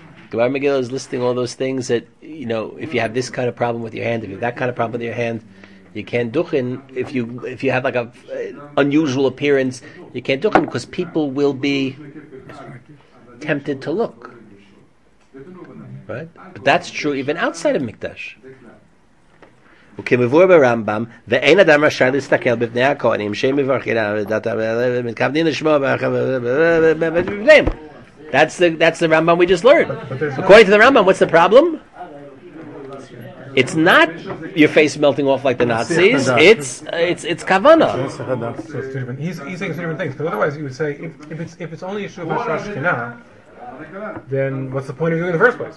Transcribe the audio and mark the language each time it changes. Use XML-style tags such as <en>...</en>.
<en>Gemara and Megillah is listing all those things that, you know, if you have this kind of problem with your hand, if you have that kind of problem with your hand, you can't duchen. If you have like an unusual appearance, you can't duchen because people will be tempted to look. Right, but that's true even outside of Mikdash.</en> <he>וכמבואר ברמב״ם, ואין אדם רשאי להסתכל בבני הכהנים, שהם מברכים, ומתכוונים לשמוע, ובבניהם.</he> <en>That's the Rambam we just learned. According to the Rambam, what's the problem? It's not your face melting off like the Nazis. It's kavanah. He's saying two different things. Because otherwise, you would say if it's only issue of Hashrat Shechina, then what's the point of doing it in the first place?</en>